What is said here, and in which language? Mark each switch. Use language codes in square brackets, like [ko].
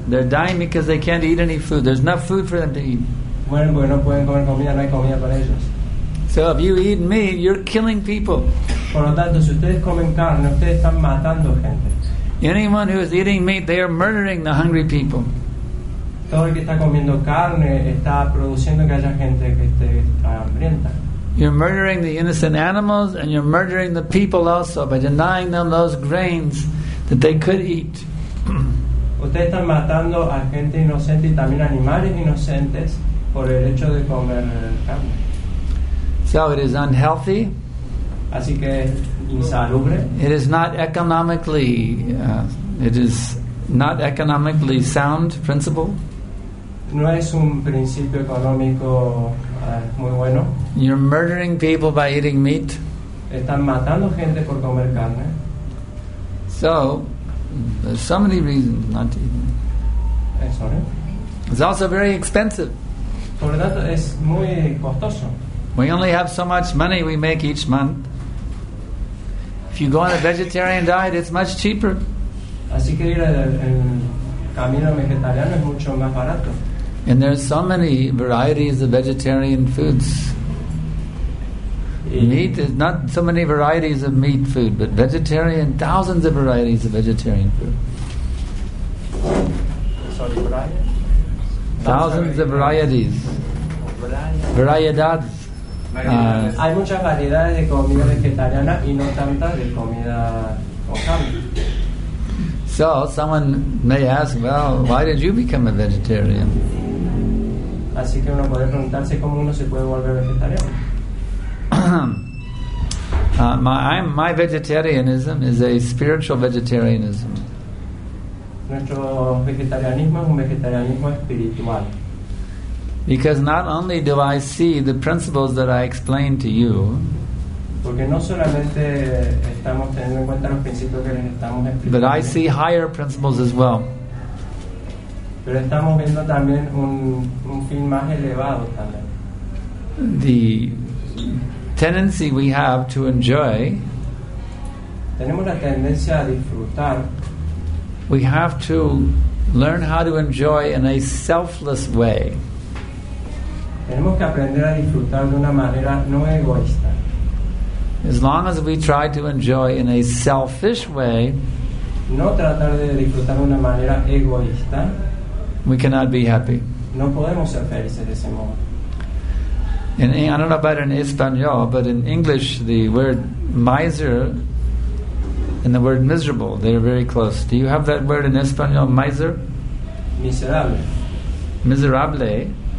[en] They're dying because they can't eat any food. There's enough food for them to eat. So if you eat meat, you're killing people. [es] Por lo tanto, si ustedes comen carne, ustedes están matando gente. [en] Anyone who is eating meat, they are murdering the hungry people. [es] Todo el que está comiendo carne está produciendo que haya gente que esté hambrienta. [en] You're murdering the innocent animals, and you're murdering the people also by denying them those grains that they could eat. [es] Ustedes están matando a gente inocente y también animales inocentes por el hecho de comer carne. [en] So it is unhealthy. [es] Así que insalubre. [en] It is not economically. It is not economically sound principle. [es] No es un principio económico muy bueno. [en] You're murdering people by eating meat. [es] Están matando gente por comer carne. [en] So, there's so many reasons not to eat meat. Sorry. It's also very expensive. [es] Por lo tanto, es muy costoso. [en] We only have so much money we make each month. If you go on a vegetarian diet, it's much cheaper. [es] Así que ir al camino vegetariano es mucho más barato. [en] And there's so many varieties of vegetarian foods. Meat is not so many varieties of meat food, but vegetarian, thousands of varieties of vegetarian food. Sorry, Brian? Thousands of varieties. Variedades. [es] Hay muchas variedades de comida vegetariana y no tantas de comida con carne. [en] So, someone may ask, well, why did you become a vegetarian? [es] Así que uno puede preguntarse cómo uno se puede volver vegetariano. [en] My vegetarianism is a spiritual vegetarianism. [es] Nuestro vegetarianismo es un vegetarianismo espiritual. [en] Because not only do I see the principles that I explained to you, [es] porque no solamente estamos teniendo en cuenta los principios que les estamos explicando, [en] but I see higher principles as well. [es] Pero estamos viendo también un fin más elevado también. [en] The tendency we have to enjoy, [es] tenemos la tendencia a disfrutar. [en] We have to learn how to enjoy in a selfless way. [es] Tenemos que aprender a disfrutar de una manera no egoísta. [en] As long as we try to enjoy in a selfish way, [es] no tratar de disfrutar de una manera egoísta, [en] we cannot be happy. [es] No podemos ser felices de ese modo. [en] I don't know about it in Espanol, but in English, the word miser and the word miserable, they are very close. Do you have that word in Espanol, miser? [es] Miserable. Miserable.